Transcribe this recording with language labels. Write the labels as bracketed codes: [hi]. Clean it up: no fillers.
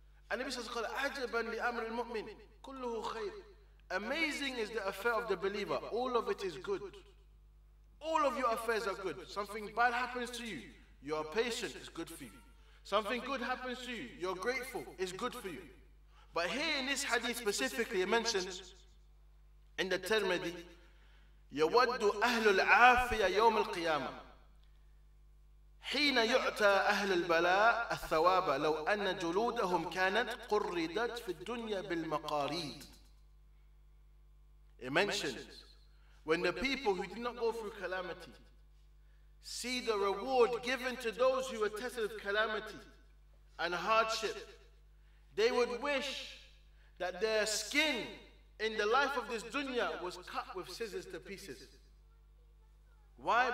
[en] And Nabi says, [ar] "Ajaban li amr al-mu'min, kulluhu khayr." [en] Amazing is the affair of the believer. All of it is good. All of your affairs are good. Something bad happens to you, you are patient, it's good for you. Something good happens to you, you're grateful, it's good for you. But here in this hadith specifically, it mentions in the Tirmidhi, [ar] يَوَدُّ أَهْلُ الْعَافِيَةِ يَوْمِ الْقِيَامَةِ حِينَ يُعْتَى أَهْلُ الْبَلَاءِ الثَّوَابَ لَوْ أَنَّ جُلُودَهُمْ كَانَتْ قُرِّدَتْ فِي الدُّنْيَا بِالْمَقَارِيدِ. [en] It mentions, when the people who did not go through calamity see the reward given to those who were tested with calamity and hardship, they would wish that their skin in the life of this dunya was cut with scissors to pieces. Why?